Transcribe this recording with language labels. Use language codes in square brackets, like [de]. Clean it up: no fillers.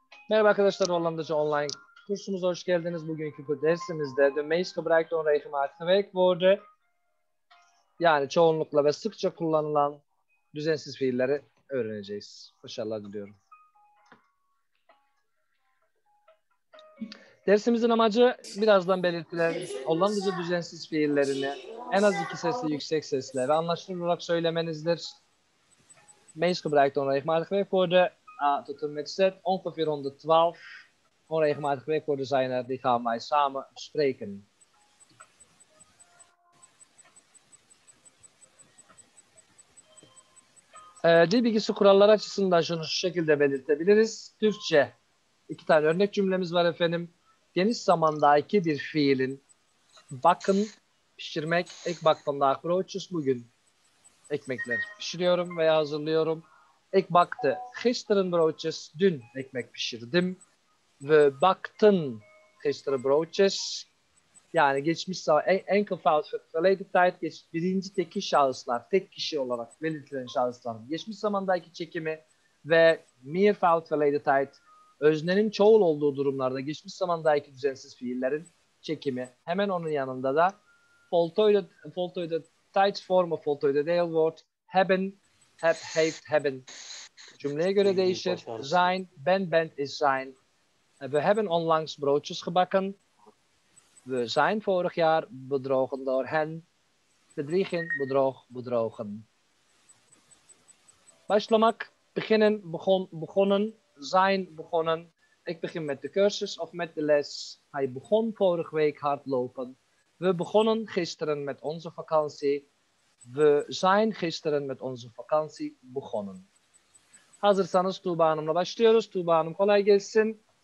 [tr] Merhaba arkadaşlar, Hollandaca Online kursumuza hoş geldiniz. Bugünkü bu dersimizde [nl] The Meest Gebruikte Onregelmatige Werkwoorden, [tr] yani çoğunlukla ve sıkça kullanılan düzensiz fiilleri öğreneceğiz. Başarılar diliyorum. Dersimizin amacı birazdan belirtilen Hollandaca düzensiz fiillerini en az iki sesli yüksek sesle ve anlaşılır olarak söylemenizdir. [nl] Meest Gebruikte Onregelmatige Werkwoorden. A tot en met Z, ongeveer 112 onregelmatige werkwoorden zijn er, die gaan wij samen spreken. [tr] Dil bilgisi kuralları açısından şunu şu şekilde belirtebiliriz. Türkçe, iki tane örnek cümlemiz var efendim. Geniş zamandaki bir fiilin, bakın, pişirmek, ek bakın daha kuruyoruz bugün. Ekmekler pişiriyorum veya hazırlıyorum. [nl] Ik bakte gisteren broodjes, [tr] dün ekmek pişirdim. [nl] We bakten gisteren broodjes. [tr] Yani geçmiş zaman, enkelvoud verleden tijd, birinci teki şahıslar, tek kişi olarak belirtilen şahıslar. Geçmiş zamandaki çekimi ve meervoud verleden tijd, öznenin çoğul olduğu durumlarda geçmiş zamandaki düzensiz fiillerin çekimi. Hemen onun yanında da voltooide tijd form of voltooide deelwoord, hebben, have, heeft, hebben. Cümleye göre değişir. [nl] Zijn, ben, bent is zijn. We hebben onlangs broodjes gebakken. We zijn vorig jaar bedrogen door hen. Bedriegen, bedroog, bedrogen. [tr] Başlamak, [nl] beginnen, begonnen. Zijn, begonnen. Ik begin met de cursus of met de les. Hij begon vorige week hardlopen. We begonnen gisteren met onze vakantie. We zijn gisteren met onze vakantie begonnen. [tr] Hazırsanız Tuğba Hanım'la başlıyoruz. Tuğba Hanım kolay gelsin.